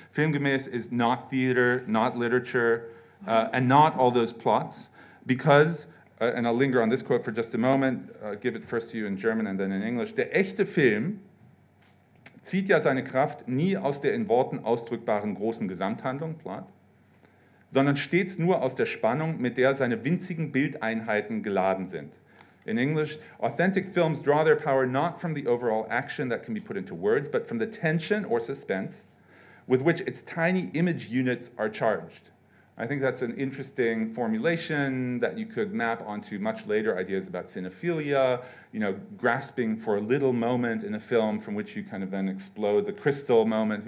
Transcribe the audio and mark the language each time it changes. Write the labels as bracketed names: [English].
[English] Filmgemäß is not theater, not literature, and not all those plots because, and I'll linger on this quote for just a moment, give it first to you in German and then in English. [German] Der echte Film zieht ja seine Kraft nie aus der in Worten ausdrückbaren großen Gesamthandlung, plot, sondern stets nur aus der Spannung, mit der seine winzigen Bildeinheiten geladen sind. [English] In English, authentic films draw their power not from the overall action that can be put into words, but from the tension or suspense with which its tiny image units are charged. I think that's an interesting formulation that you could map onto much later ideas about cinephilia, you know, grasping for a little moment in a film from which you kind of then explode the crystal moment.